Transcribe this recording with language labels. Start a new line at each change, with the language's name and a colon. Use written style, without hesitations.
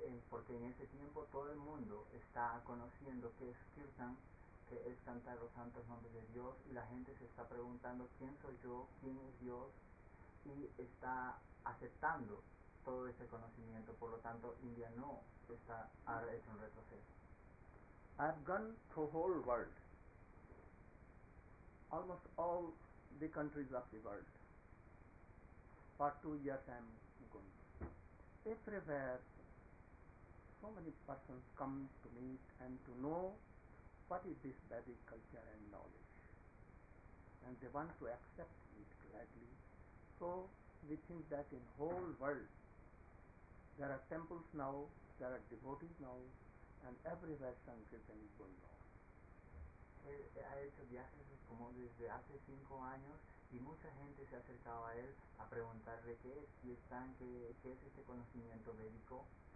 Spanish: Porque en ese tiempo todo el mundo está conociendo qué es Kirtan, que es cantar los santos nombres de Dios, y la gente se está preguntando quién soy yo, quién es Dios, y está aceptando todo ese conocimiento. Por lo tanto, India no está, ha hecho un retroceso.
English: I've gone to whole world, almost all the countries of the world. For 2 years I'm going. Everywhere so many persons come to meet and to know what is this Vedic culture and knowledge, and they want to accept it gladly. So we think that in whole world there are temples now, there are devotees now, and everywhere Sankirtan is going on.
Spanish: He ha hecho viajes como desde hace 5 años, y mucha gente se ha acercado a él a preguntarle qué es, y están qué es este conocimiento médico.